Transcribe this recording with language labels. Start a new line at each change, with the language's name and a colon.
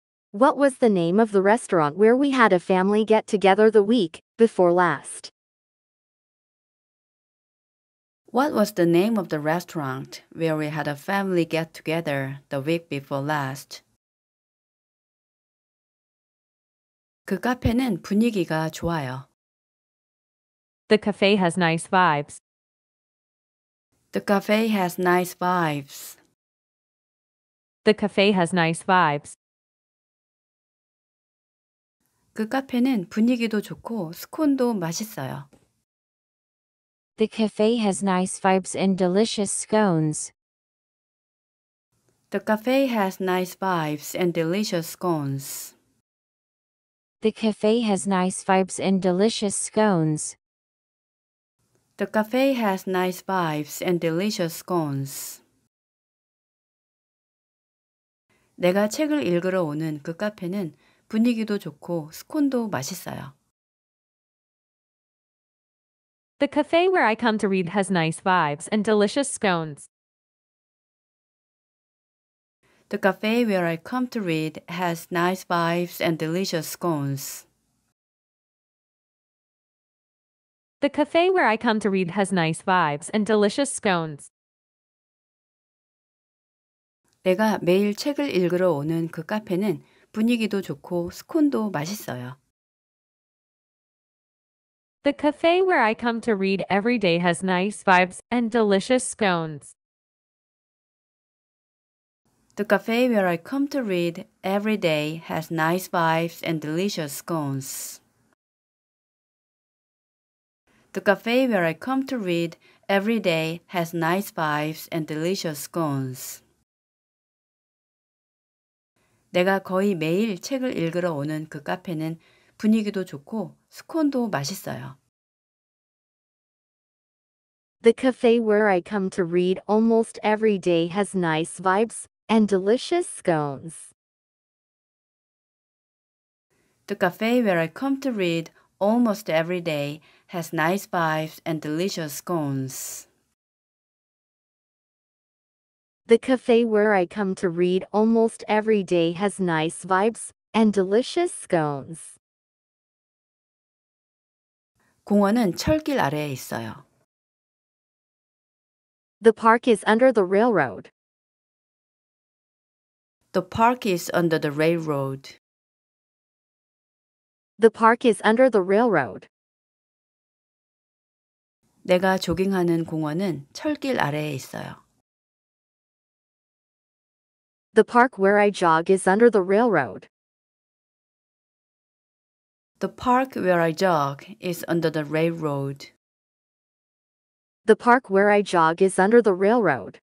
English: What was the name of the restaurant where we had a family get together the week before last? What was the name of the restaurant where we had a family get-together the week before last?
Korean: 그 카페는 분위기가 좋아요.
English: The cafe has nice vibes. The cafe has nice vibes. The cafe has nice vibes.
Korean: 그 카페는 분위기도 좋고 스콘도 맛있어요.
English: The cafe has nice vibes and delicious scones. The cafe has nice vibes and delicious scones. The cafe has nice vibes and delicious scones. The cafe has nice vibes and delicious scones.
Korean: 내가 책을 읽으러 오는 그 카페는 분위기도 좋고 스콘도 맛있어요.
English: The cafe where I come to read has nice vibes and delicious scones. The cafe where I come to read has nice vibes and delicious scones. The cafe where I come to read has nice vibes and delicious scones.
Korean: 내가 매일 책을 읽으러 오는 그 카페는 분위기도 좋고 스콘도 맛있어요.
English: The cafe where I come to read every day has nice vibes and delicious scones. The cafe where I come to read every day has nice vibes and delicious scones. The cafe where I come to read every day has nice vibes and delicious scones.
Korean: 내가 거의 매일 책을 읽으러 오는 그 카페는 분위기도 좋고 스콘도 맛있어요.
English: The cafe where I come to read almost every day has nice vibes and delicious scones. The cafe where I come to read almost every day has nice vibes and delicious scones. The cafe where I come to read almost every day has nice vibes and delicious scones.
Korean: 공원은 철길 아래에 있어요.
English: The park is under the railroad. The park is under the railroad. The park is under the railroad.
Korean: 내가 조깅하는 공원은 철길 아래에 있어요.
English: The park where I jog is under the railroad. The park where I jog is under the railroad. The park where I jog is under the railroad.